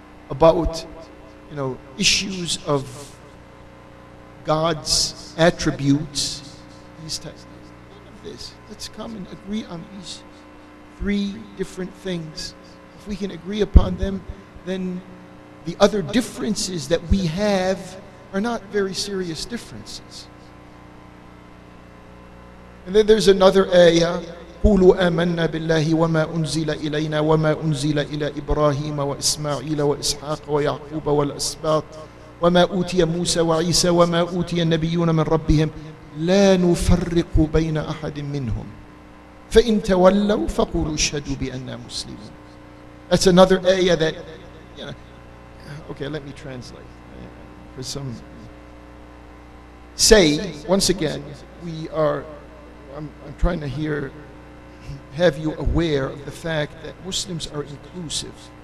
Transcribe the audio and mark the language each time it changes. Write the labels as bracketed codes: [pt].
[en] About, you know, issues of God's attributes. These types of this. Let's come and agree on these three different things. If we can agree upon them, then the other differences that we have are not very serious differences. And then there's another ayah, [ar] قُلُوا آمَنَّا بِاللَّهِ وَمَا أُنزِلَ إِلَيْنَا وَمَا أُنزِلَ إِلَى إِبْرَاهِيمَ وَإِسْمَاعِيلَ وَإِسْحَاقَ وَيَعْقُوبَ وَالْأَسْبَاطِ وَمَا أُوتِيَ مُوسَى وَعِيسَى وَمَا أُوتِيَ النَّبِيُّونَ مِنْ رَبِّهِمْ لَا نُفَرِّقُ بَيْنَ أَحَدٍ مِّنْهُمْ فَإِنْ تَوَلَّوْا فَقُولُوا اشْهَدُوا بِأَنَّا مُسْلِمُونَ. [en] That's another ayah that, you know, okay, let me translate for some. Say, once again, we are, I'm trying to hear have you aware of the fact that Muslims are inclusive.